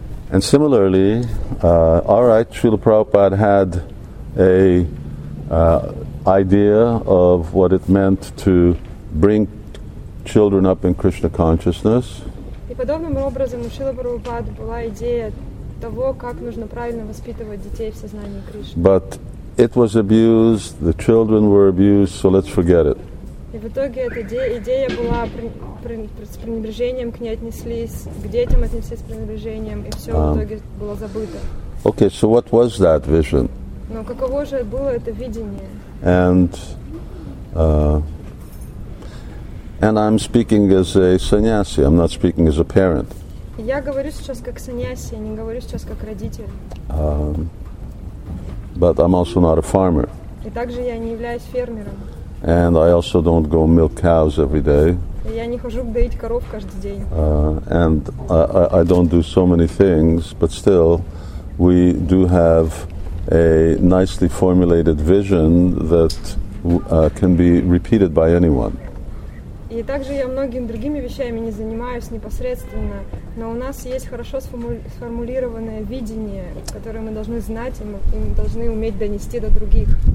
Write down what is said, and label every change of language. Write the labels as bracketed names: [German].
[English] And similarly, all right, Srila Prabhupada had a idea of what it meant to bring children up in Krishna consciousness. [Russian] И подобным образом у Шрилы Прабхупады была идея того, как нужно правильно воспитывать детей в сознании Кришны. [English] But it was abused, the children were abused, so let's forget it. [Russian] И в итоге эта идея была с пренебрежением к ней отнеслись, к детям отнеслись с пренебрежением, и все в итоге было забыто. [English] Okay, so what was that vision? [Russian] Но каково же было это видение? [English] And I'm speaking as a sannyasi, I'm not speaking as a parent. [Russian] Я говорю сейчас как сannyasi, не говорю сейчас как родитель. [English] But I'm also not a farmer. [Russian] И также я не являюсь фермером. [English] And I also don't go milk cows every day. [Russian] Я не хожу доить коров каждый день. [English] And I don't do so many things, but still, we do have a nicely formulated vision that can be repeated by anyone. [Russian] И также я многими другими вещами не занимаюсь непосредственно, но у нас есть хорошо сформулированное видение, которое мы должны знать и мы должны уметь донести до других.